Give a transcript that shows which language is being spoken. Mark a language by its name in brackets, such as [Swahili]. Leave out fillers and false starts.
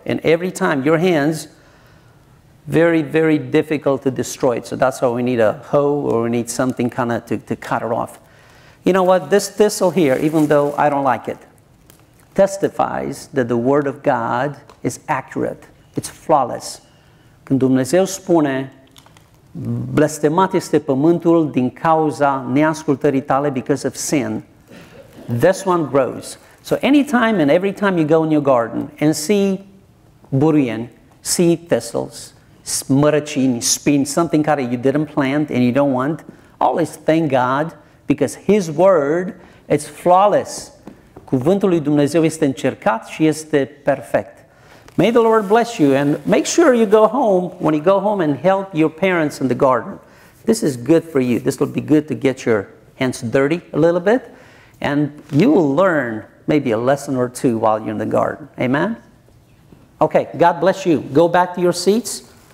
[English] And every time, your hands, very, very difficult to destroy it. So that's why we need a hoe or we need something kind of to cut it off. You know what? This thistle here, even though I don't like it, testifies that the word of God is accurate. It's flawless. [Romanian] Când Dumnezeu spune, blestemat este pământul din cauza neascultării tale, [English] because of sin, this one grows. So anytime and every time you go in your garden and see burien, see thistles, mărăcini, spin, something care you didn't plant and you don't want, always thank God, because His word is flawless. [Romanian] Cuvântul lui Dumnezeu este încercat și este perfect. [English] May the Lord bless you, and make sure you go home, when you go home, and help your parents in the garden. This is good for you. This will be good to get your hands dirty a little bit, and you will learn maybe a lesson or two while you're in the garden. Amen? Okay, God bless you. Go back to your seats.